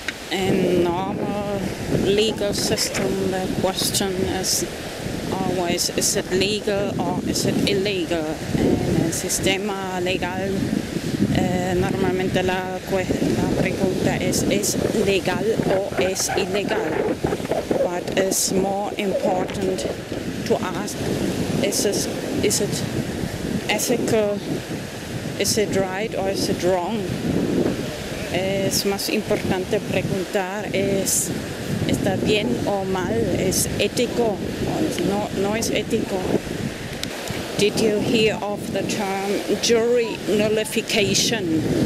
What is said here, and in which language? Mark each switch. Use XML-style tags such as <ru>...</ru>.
<en>And our legal system, the question is always, is it legal or is it illegal?</en> <es>En el sistema legal, normalmente la pregunta es legal o es ilegal?</es> <en>But it's more important to ask, is it ethical? Is it right or is it wrong?</en> <es>Es más importante preguntar, ¿está bien o mal? ¿Es ético? No es ético.</es> <en>Did you hear of the term jury nullification?</en>